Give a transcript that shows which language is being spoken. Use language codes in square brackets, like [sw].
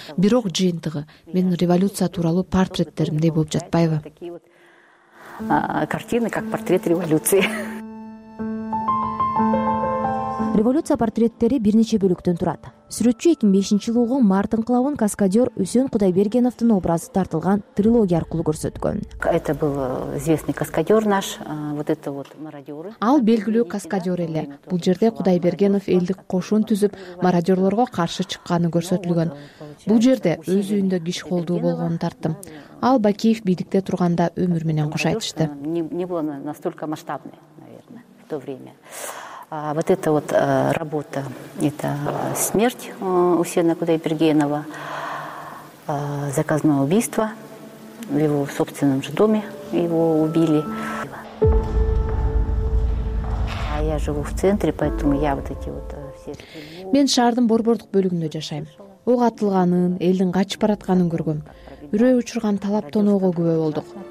[ky] Бирок жыйынтыгы менин революция тууралуу портреттеримдей болуп жатпайбы? [ru] Картины как портрет революции. [ky] Революция портреттери бир нече бөлүктөн турат. Сүрөтчү 2005 жылы болгон Мартын Клаун каскадер Үсөн Кудайбергеновдун образы тартылган трилогия аркылуу көрсөткөн. [ru] Это был известный каскадер наш, вот это вот мародёры. [ky] Ал белгилүү каскадер эле. Бул жерде Кудайбергенов элдик кошун түзүп, мародёрлорго каршы чыкканы көрсөтүлгөн. Бул жерде өз үйүндө киши колдуу болгонун тарттым. Ал Бакиев бийликте турганда өмүр менен кош айтышты. [ru] Не было настолько масштабный, наверное, в то время. Вот эта вот работа, это смерть Усена Кудайбергенова, заказное убийство в его собственном же доме, его убили. А я живу в центре, поэтому я вот эти вот все... [ky] Мен шаардын борбордук бөлүгүндө жашайм. Ок атылганын, элдин качып баратканын көргөм. Үрөй учурган талап тоноого күбө болдук.